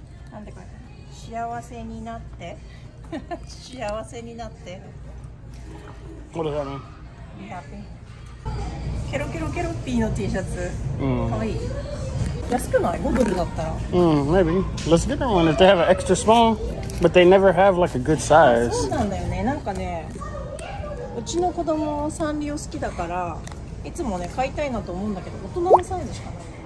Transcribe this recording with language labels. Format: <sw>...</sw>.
<ja>なんでこれ？幸せになって幸せになって</ja> <en>What does that mean? Be happy?</en> <ja>ケロケロケロッピーの T シャツ、 mm. かわいい。安くない？ 5 ドルだったら。</ja> <en>うん、maybe. Let's get them one if they have an extra small, but they never have like a good size.</en> <ja>そうなんだよね。なんかね、うちの子供サンリオ好きだから、いつもね、買いたいなと思うんだけど、大人のサイズしかない。</ja> <en>Yeah.</en>